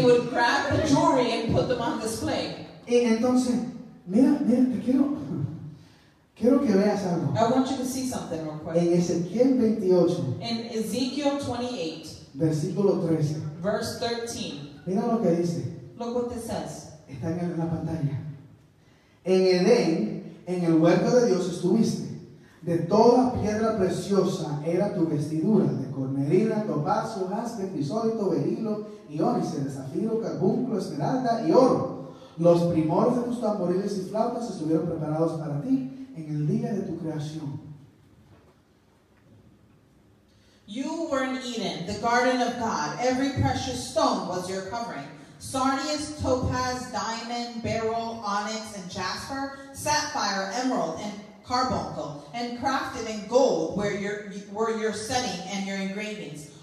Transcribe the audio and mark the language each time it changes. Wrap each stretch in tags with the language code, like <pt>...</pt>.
<en>He would grab the jewelry and put them on display.</en> <es>Y entonces, mira, te quiero que veas algo.</es> <en>I want you to see something real quick.</en> <es>En Ezequiel 28.</es> <en>In Ezekiel 28.</en> <es>Versículo 13.</es> <en>Verse 13.</en> <es>Mira lo que dice.</es> <en>Look what this says.</en> <es>Está en la pantalla. En Edén, en el huerto de Dios estuviste. De toda piedra preciosa era tu vestidura, de cornerina, topacio, jaspe, crisólito, berilo, iónice, de zafiro, carbunclo, esmeralda y oro. Los primores de tus tamboriles y flautas estuvieron preparados para ti en el día de tu creación.</es> <en>You were in Eden, the garden of God. Every precious stone was your covering. Sardius, topaz, diamond, beryl, onyx, and jasper, sapphire, emerald, and carbuncle, and crafted in gold were your setting and your engravings.</en>